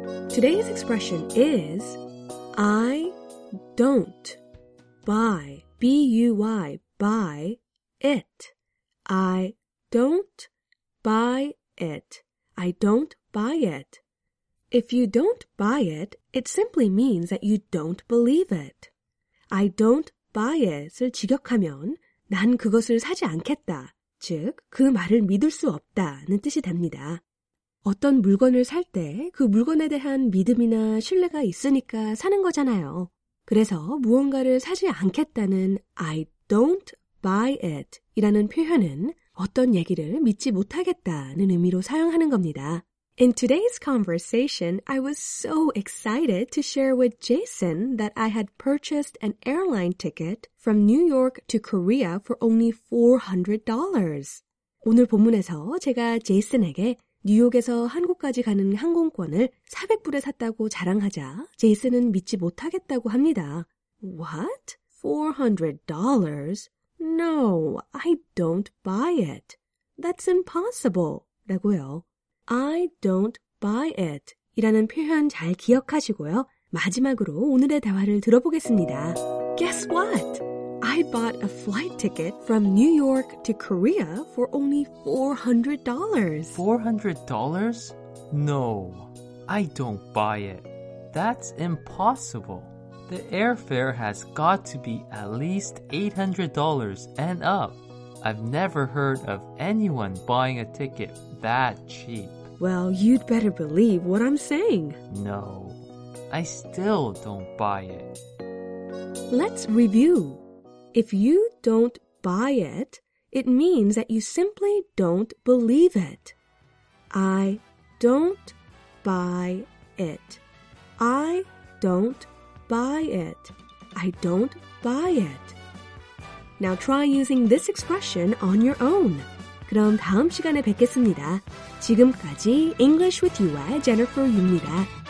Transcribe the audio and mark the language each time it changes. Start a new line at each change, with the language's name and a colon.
English: Today's expression is I don't buy, B-U-Y, buy it. I don't buy it. I don't buy it. If you don't buy it, it simply means that you don't believe it. I don't buy it
Korean: 을 직역하면 난 그것을 사지 않겠다, 즉 그 말을 믿을 수 없다는 뜻이 됩니다. 어떤 물건을 살 때 그 물건에 대한 믿음이나 신뢰가 있으니까 사는 거잖아요. 그래서 무언가를 사지 않겠다는
English: I don't buy it
Korean: 이라는 표현은 어떤 얘기를 믿지 못하겠다는 의미로 사용하는 겁니다.
English: In today's conversation, I was so excited to share with Jason that I had purchased an airline ticket from New York to Korea for only $400.
Korean: 오늘 본문에서 제가 제이슨에게 뉴욕에서 한국까지 가는 항공권을 400불에 샀다고 자랑하자 제이슨은 믿지 못하겠다고 합니다.
English: What? $400? No, I don't buy it. That's impossible.
Korean: 라고요.
English: I don't buy it.
Korean: 이라는 표현 잘 기억하시고요. 마지막으로 오늘의 대화를 들어보겠습니다.
English: Guess what? I bought a flight ticket from New York to Korea for only $400. $400? No, I don't buy it. That's impossible. The airfare has got to be at least $800 and up. I've never heard of anyone buying a ticket that cheap. Well, you'd better believe what I'm saying. No, I still don't buy it. Let's review. If you don't buy it, it means that you simply don't believe it. I don't buy it. I don't buy it. I don't buy it. Now try using this expression on your own.
Korean: 그럼 다음 시간에 뵙겠습니다. 지금까지 English with You의 Jennifer 유입니다.